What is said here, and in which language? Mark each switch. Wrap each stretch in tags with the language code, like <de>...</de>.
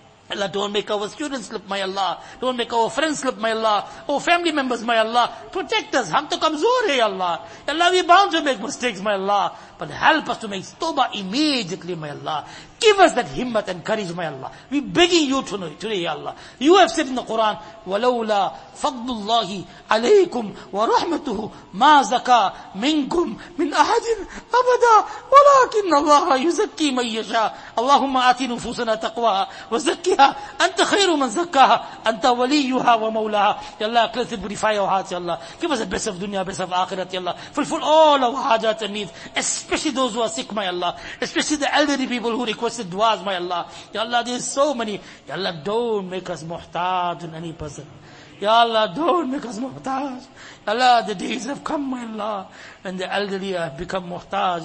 <en>Allah, don't make our students slip, may Allah. Don't make our friends slip, may Allah. Our family members, may Allah. Protect us.</en> <ur>Ham to kamzor hai,</ur> <en>Allah. Allah, we're bound to make mistakes, may Allah. But help us to make tawbah immediately, may Allah. Give us that himmat and courage, may Allah. We're begging you today, ya Allah. You have said in the Quran,</en> <ar>وَلَوْلَا فَضْلُ اللَّهِ عَلَيْكُمْ وَرَحْمَتُهُ مَا زَكَى مِنْكُمْ مِنْ أَحَدٍ أَبَدًا وَلَكِنَّ اللَّهَ يُزَكِّي مَنْ يَشَاءُ اللَّهُمَّ آتِ نُفُوسَنَا تَقْوَاهَا وَزَكِّهَا أَنْتَ خَيْرُ مَنْ زَكَّاهَا أَنْتَ وَلِيُّهَا وَمَوْلَاهَا.</ar> <en>Ya Allah, cleanse and purify our hearts, ya Allah. Give us the best of dunya, best of akhirat, ya Allah. Fulfill all our hajat and needs, especially those who are sick, my Allah. Especially the elderly people who requested duas, my Allah. Ya Allah, there's so many. Ya Allah, don't make us muhtaj in any person. Ya Allah, don't make us muhtaj. Ya Allah, the days have come, my Allah, when the elderly have become muhtaj.</en>